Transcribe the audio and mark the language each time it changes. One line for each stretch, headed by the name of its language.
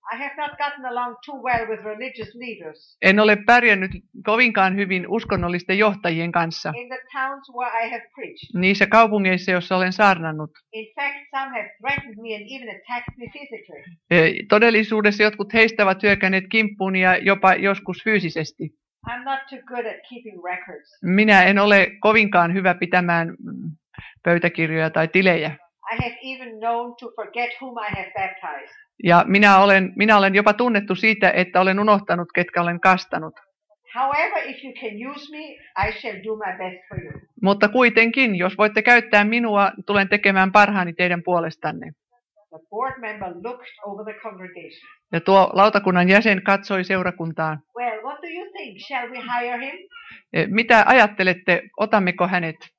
English: I have not gotten along too well with religious leaders.
Finnish: En ole pärjännyt kovinkaan hyvin uskonnollisten johtajien kanssa.
English: In the towns where I have preached.
Finnish: Niissä kaupungeissa, joissa olen saarnannut.
English: In fact, some have threatened me and even attacked me physically.
Finnish: Todellisuudessa jotkut heistä ovat hyökänneet kimppuun ja jopa joskus fyysisesti.
English: I'm not too good at keeping records.
Finnish: Minä en ole kovinkaan hyvä pitämään pöytäkirjoja tai tilejä.
English: I have even known to forget whom I have baptized.
Finnish: Ja minä olen jopa tunnettu siitä, että olen unohtanut, ketkä olen kastanut.
English: However, if you can use me, I shall do my best for you.
Finnish: Mutta kuitenkin, jos voitte käyttää minua, tulen tekemään parhaani teidän puolestanne.
English: The board member looked over the congregation.
Finnish: Ja tuo lautakunnan jäsen katsoi seurakuntaan.
English: Well, what do you think? Shall we hire him?
Finnish: Mitä ajattelette, otammeko hänet?